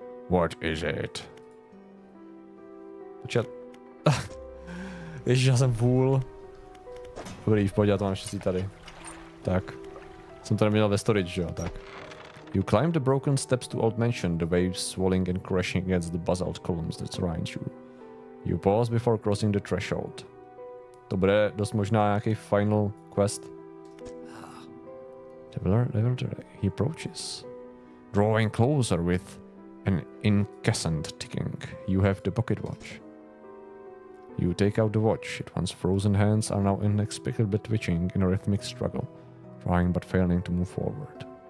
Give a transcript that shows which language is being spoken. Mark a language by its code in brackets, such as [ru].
[en] What is it? [cs] Počkat. Ježiš, já jsem vůl. Dobrý, v pohodě, já to mám štěstí tady. Tak. Jsem to neměl ve storage, jo, tak. [en] You climbed the broken steps to old mansion, the waves swirling and crashing against the basalt columns that surround you. You pause before crossing the threshold. [cs] To bude dost možná nějaký final quest. [en] The builder he approaches. Drawing closer with an incessant ticking. You have the pocket watch. You take out the watch. Its once frozen hands are now inexplicably twitching in a rhythmic struggle, trying but failing to move forward.